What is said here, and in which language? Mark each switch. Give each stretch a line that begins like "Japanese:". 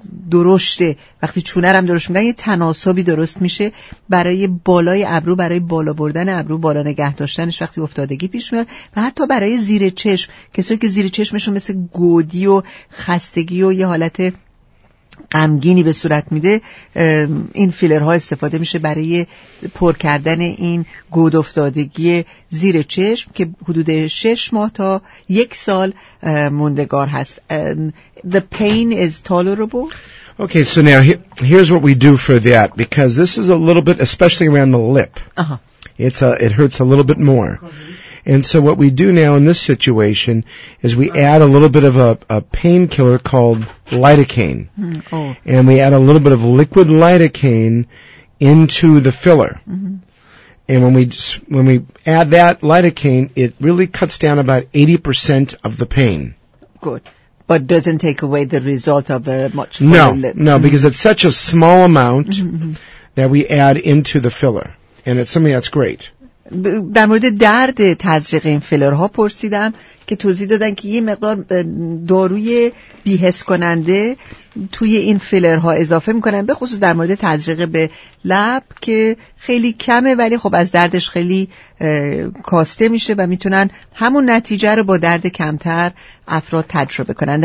Persian: درشته، وقتی چونه رو هم درست میگن یه تناسبی درست میشه، برای بالای ابرو، برای بالا بردن ابرو، بالا نگه داشتنش وقتی افتادگی پیش میاد، و حتی برای زیر چشم، کسایی که زیر چشمشون مثل گودی و خستگی و یه حالت غمگینی به صورت میده، این فیلرها استفاده میشه برای پر کردن این گود افتادگی زیر چشم که حدود 6 ماه تا 1 سال موندگار هست.
English: The pain is tolerable. Okay, so now here's what we do for that, because this is a little bit, especially around the lip. Uh-huh. It hurts a little bit more. And so what we do now in this situation is we add a little bit of a painkiller called lidocaine. Mm, oh. And we add a little bit of liquid lidocaine into the filler. Mm-hmm. And when we add that lidocaine, it really cuts down about 80% of the pain. Good. But doesn't take away the result of a much fuller lip. No, mm-hmm. because it's such a small amount that we add into the filler. And it's something that's great.
Persian: در مورد درد تزریق این فیلرها پرسیدم که توضیح دادن که یه مقدار داروی بی‌حس کننده توی این فیلرها اضافه میکنن به خصوص در مورد تزریق به لب که خیلی کمه ولی خب از دردش خیلی کاسته میشه و میتونن همون نتیجه رو با درد کمتر افراد تجربه کنند.